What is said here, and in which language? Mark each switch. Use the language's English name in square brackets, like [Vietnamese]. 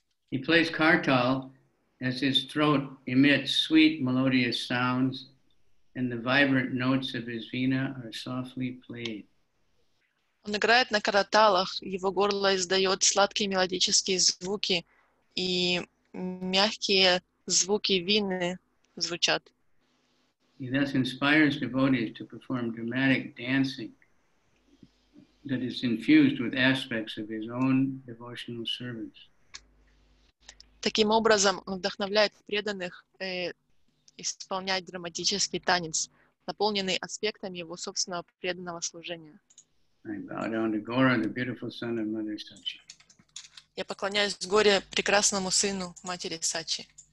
[English] He plays kartal as his throat emits sweet melodious sounds and the vibrant notes of his veena are softly played. [Russian] Он играет на карталах, его горло издает сладкие мелодические звуки и мягкие звуки вины звучат. [English] He thus inspires devotees to perform dramatic dancing that is infused with aspects of his own devotional service. [Russian] Таким образом, он вдохновляет преданных исполнять драматический танец, наполненный аспектами его собственного преданного служения. [English] I bow down to Gaura, the beautiful son of Mother Sachi. [Russian] Я поклоняюсь Горе, прекрасному сыну матери Сачи.